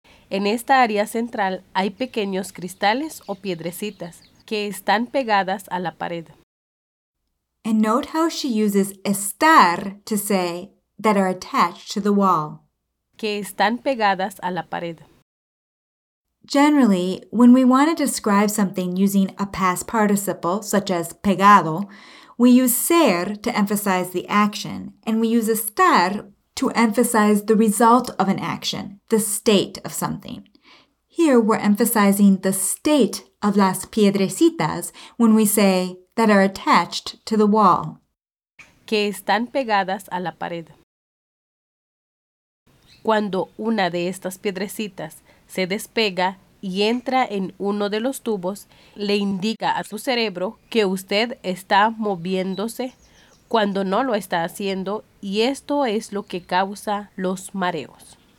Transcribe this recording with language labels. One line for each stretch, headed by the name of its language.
Spanish: En esta área central hay pequeños cristales o piedrecitas que están pegadas a la pared.
English: And note how she uses estar to say that are attached to the wall.
Spanish: Que están pegadas a la pared.
English: Generally, when we want to describe something using a past participle, such as pegado, we use ser to emphasize the action, and we use estar to emphasize the result of an action, the state of something. Here, we're emphasizing the state of
Spanish: las piedrecitas
English: when we say that are attached to the wall.
Spanish: Que están pegadas a la pared. Cuando una de estas piedrecitas se despega y entra en uno de los tubos, le indica a su cerebro que usted está moviéndose cuando no lo está haciendo y esto es lo que causa los mareos.